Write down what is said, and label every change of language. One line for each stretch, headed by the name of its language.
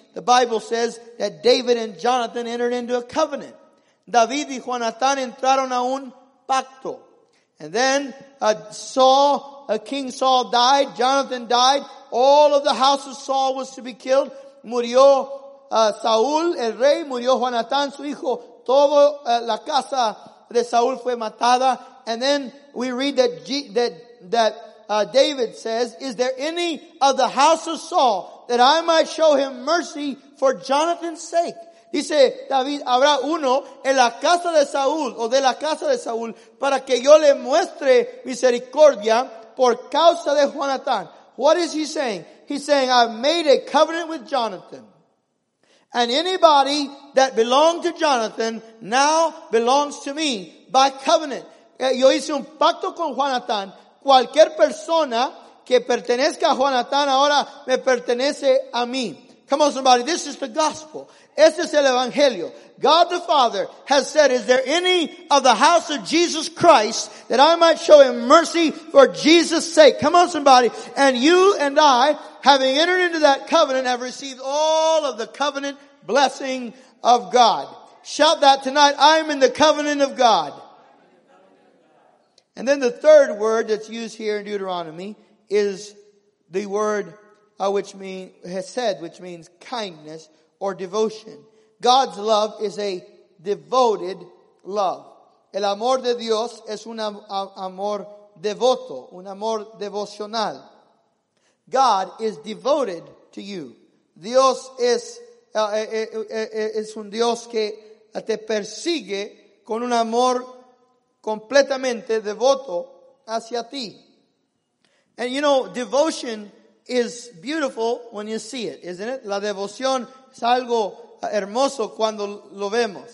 English: The Bible says that David and Jonathan entered into a covenant.
Spanish: David y Jonathan entraron a un pacto.
English: And then King Saul died. Jonathan died. All of the house of Saul was to be killed.
Spanish: Murió Saúl, el rey, murió Jonatán, su hijo, toda la casa de Saúl fue matada.
English: And then we read that David says, is there any of the house of Saul that I might show him mercy for Jonathan's sake?
Spanish: Dice David, ¿habrá uno en la casa de Saúl o de la casa de Saúl para que yo le muestre misericordia por causa de Jonatán?
English: What is he saying? He's saying, I've made a covenant with Jonathan. And anybody that belonged to Jonathan now belongs to me by covenant.
Spanish: Yo hice un pacto con Jonatán. Cualquier persona que pertenezca a Jonatán ahora me pertenece a mí.
English: Come on, somebody. This is the gospel.
Spanish: Este es el evangelio.
English: God the Father has said, is there any of the house of Jesus Christ that I might show him mercy for Jesus' sake? Come on, somebody. And you and I, having entered into that covenant, have received all of the covenant blessing of God. Shout that tonight. I am in the covenant of God. And then the third word that's used here in Deuteronomy is the word which means kindness or devotion. God's love is a devoted love.
Spanish: El amor de Dios es un amor devoto, un amor devocional.
English: God is devoted to you.
Spanish: Dios es un Dios que te persigue con un amor completamente devoto hacia ti.
English: And you know, devotion is beautiful when you see it, isn't it?
Spanish: La devoción es algo hermoso cuando lo vemos.